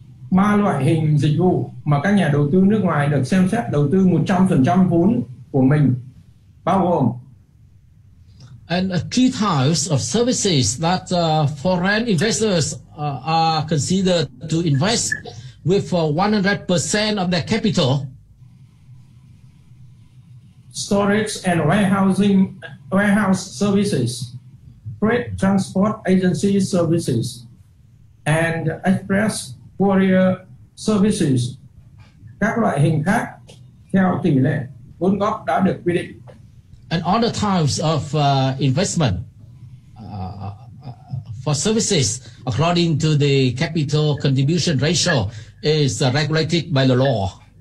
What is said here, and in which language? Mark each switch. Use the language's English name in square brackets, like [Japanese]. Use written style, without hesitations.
[Vietnamese] Ba loại hình dịch vụ mà các nhà đầu tư nước ngoài được xem xét đầu tư 100% vốn của mình bao gồm [English] and three types of services that foreign investors are considered to invest with 100% of their capital. Storage and warehouse services, freight transport agency services, and express courier services, [Vietnamese] các loại hình khác theo tỷ lệ vốn góp đã được quy định. [English] And other types of investment for services according to the capital contribution ratio is regulated by the law.